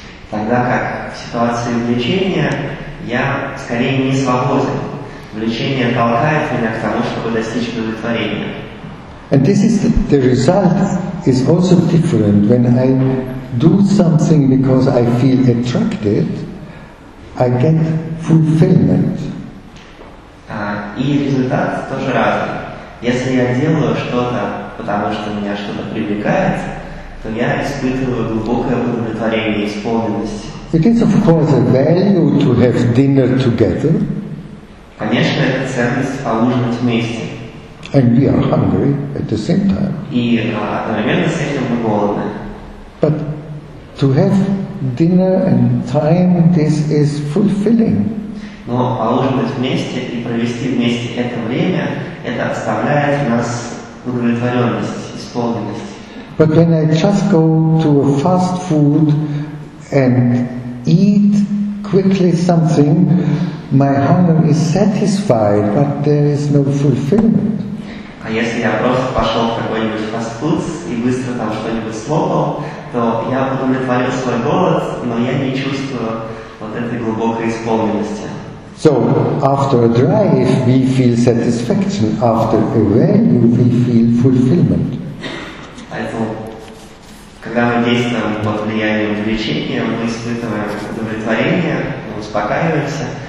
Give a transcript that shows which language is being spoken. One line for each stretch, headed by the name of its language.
Russian: Тогда как в ситуации влечения я скорее не свободен. Влечение толкает меня к тому, чтобы достичь удовлетворения.
English: And this is the result is also different when I do something because I feel attracted, I get fulfillment.
Russian: И результат тоже разный. Если я делаю что-то, потому что меня что-то привлекает, то я испытываю глубокое удовлетворение, исполненность.
English: It is of course a value to have dinner together.
Russian: Конечно, это ценность поужинать вместе.
English: And we are hungry at the same time.
Russian: И одновременно с этим мы голодны.
English: But to have dinner and time, this is fulfilling.
Russian: Но поужинать вместе и провести вместе это время, это оставляет в нас удовлетворенность, исполненность.
English: But when I just go to a fast food and eat quickly something, my hunger is satisfied, but there is no fulfillment.
Russian: А если я просто пошел в какой-нибудь фастфуд и быстро там что-нибудь слопал, то я удовлетворил свой голод, но я не чувствую вот этой глубокой исполненности.
English: So after a drive we feel satisfaction, after a value we feel fulfillment.
Russian: Also, когда мы действуем под влиянием увлечения, мы испытываем удовлетворение, мы успокаиваемся.